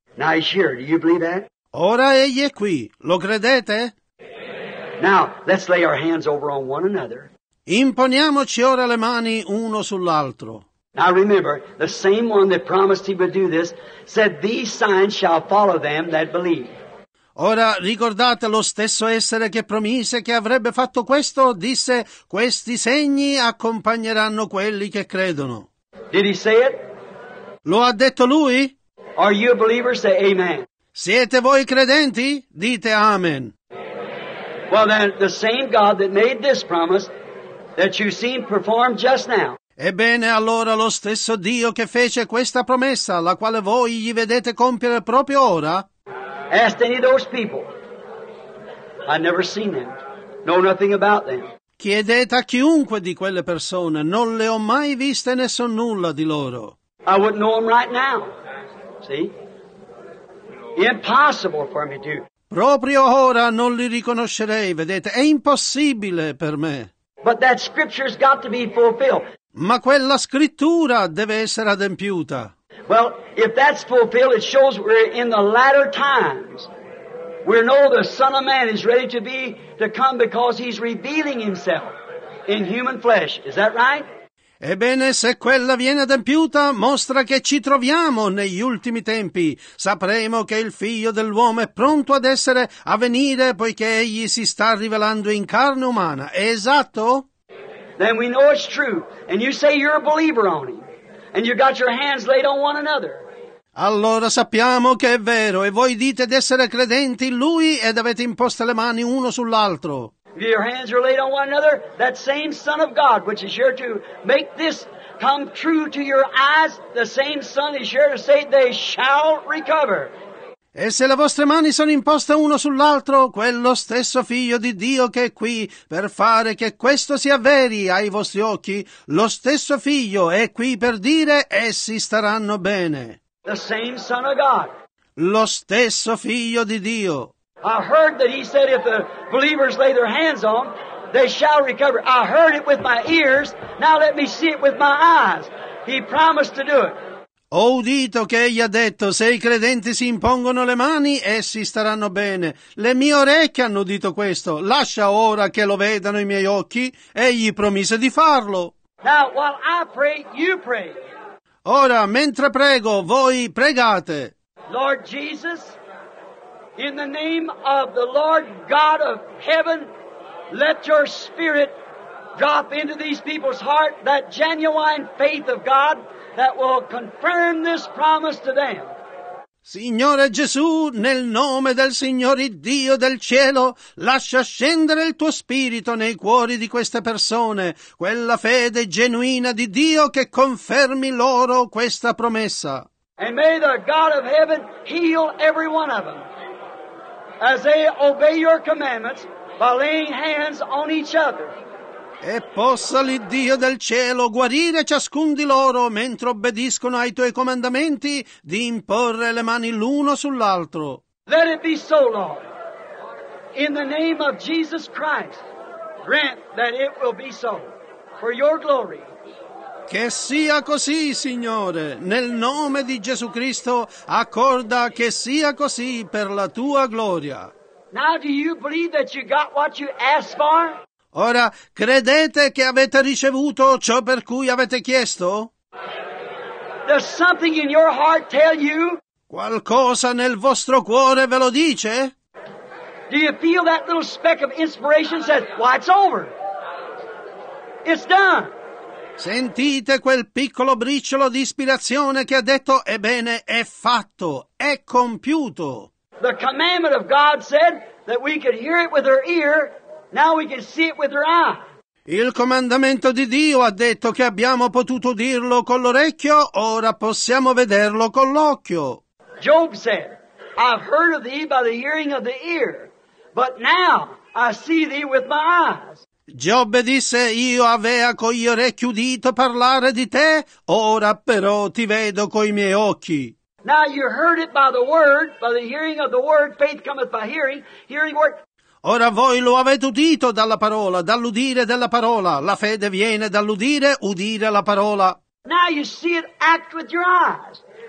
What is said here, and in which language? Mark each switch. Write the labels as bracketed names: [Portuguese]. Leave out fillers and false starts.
[English] Now he's here. Do you believe that? [Italian] Ora egli è qui. Lo credete? [English] Now, let's lay our hands over on one another. [Italian] Imponiamoci ora le mani uno sull'altro. [English] Now remember, the same one that promised he would do this said, these signs shall follow them that believe. [Italian] Ora ricordate lo stesso essere che promise che avrebbe fatto questo, disse, questi segni accompagneranno quelli che credono. [English] Did he say it? [Italian] Lo ha detto lui? [English] Are you a believer? Say amen. [Italian] Siete voi credenti? Dite amen. [English] Well then, the same God that made this promise that you seen performed just now. [Italian] Ebbene, allora lo stesso Dio che fece questa promessa, la quale voi gli vedete compiere proprio ora? [English] Ask any of those people. I've never seen them. Know nothing about them. [Italian] Chiedete a chiunque di quelle persone, non le ho mai viste né so nulla di loro. [English] I wouldn't know them right now. See? Impossible for me to. [Italian] Proprio ora non li riconoscerei, vedete? È impossibile per me. [English] But that scripture's got to be fulfilled. [Italian] Ma quella scrittura deve essere adempiuta. [English] Well, if that's fulfilled, it shows we're in the latter times. We know the Son of Man is ready to be to come because He's revealing Himself in human flesh. Is that right? [Italian] Ebbene, se quella viene adempiuta, mostra che ci troviamo negli ultimi tempi. Sapremo che il Figlio dell'uomo è pronto ad essere a venire, poiché egli si sta rivelando in carne umana. È esatto? [English] Then we know it's true, and you say you're a believer on Him, and you got your hands laid on one another. [Italian] Allora sappiamo che è vero, e voi dite di essere credenti in Lui ed avete imposto le mani uno sull'altro. [English] Your hands are laid on one another, that same Son of God, which is here to make this come true to your eyes, the same Son is here to say they shall recover. [Italian] E se le vostre mani sono imposte uno sull'altro, quello stesso Figlio di Dio che è qui per fare che questo sia veri ai vostri occhi, lo stesso Figlio è qui per dire essi staranno bene. [English] The same Son of God. [Italian] Lo stesso Figlio di Dio. [English] I heard that he said if the believers lay their hands on, they shall recover. I heard it with my ears, now let me see it with my eyes. He promised to do it. [Italian] Ho udito che egli ha detto, se i credenti si impongono le mani, essi staranno bene. Le mie orecchie hanno udito questo, lascia ora che lo vedano i miei occhi. Egli promise di farlo. [English] Now, while I pray, you pray. [Italian] Ora, mentre prego, voi pregate. [English] Lord Jesus, in the name of the Lord God of heaven, let your spirit drop into these people's heart that genuine faith of God that will confirm this promise to them. [Italian] Signore Gesù, nel nome del Signore Dio del cielo, lascia scendere il tuo spirito nei cuori di queste persone, quella fede genuina di Dio che confermi loro questa promessa. [English] And may the God of heaven heal every one of them as they obey your commandments by laying hands on each other. [Italian] E possa l'Iddio del cielo guarire ciascun di loro mentre obbediscono ai tuoi comandamenti di imporre le mani l'uno sull'altro. [English] Let it be so, Lord. In the name of Jesus Christ, grant that it will be so, for your glory. [Italian] Che sia così, Signore, nel nome di Gesù Cristo, accorda che sia così per la tua gloria. [English] Now do you believe that you got what you asked for? [Italian] Ora, credete che avete ricevuto ciò per cui avete chiesto? [English] Does something in your heart tell you? [Italian] Qualcosa nel vostro cuore ve lo dice? [English] Do you feel that little speck of inspiration says, well, it's over. It's done. [Italian] Sentite quel piccolo briciolo di ispirazione che ha detto, ebbene, è fatto, è compiuto. [English] The commandment of God said that we could hear it with our ear, now we can see it with our eye. [Italian] Il comandamento di Dio ha detto che abbiamo potuto dirlo con l'orecchio, ora possiamo vederlo con l'occhio. [English] Job said, I've heard of thee by the hearing of the ear, but now I see thee with my eyes. [Italian] Giobbe disse, io avea con gli orecchi udito parlare di te, ora però ti vedo coi miei occhi. [English] Now you heard it by the word, by the hearing of the word, faith cometh by hearing, hearing word. [Italian] Ora voi lo avete udito dalla parola, dall'udire della parola, la fede viene dall'udire, udire la parola. [English] Now you see it act with your eyes.